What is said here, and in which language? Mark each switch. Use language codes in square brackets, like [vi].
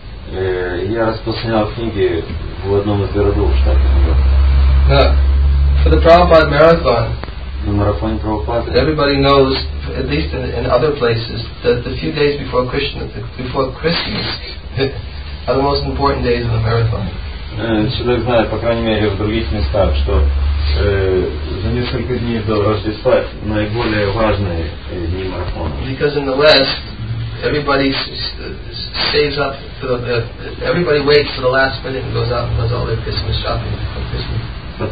[ru] Я распространял книги в одном из городов штата Нью-Йорк. [en] For the Prabhupada marathon. [ru] На марафоне Прабхупады. [en] Everybody knows, at least in other places, that the few days before Krishna, before Christmas. Are the most important days of the marathon. [ru] Человек знает, по крайней мере, в других местах, что за несколько дней до Рождества наиболее важные дни марафона. [en] Because in the West, everybody saves up for the everybody waits for the last minute and goes out and does all their Christmas shopping for Christmas.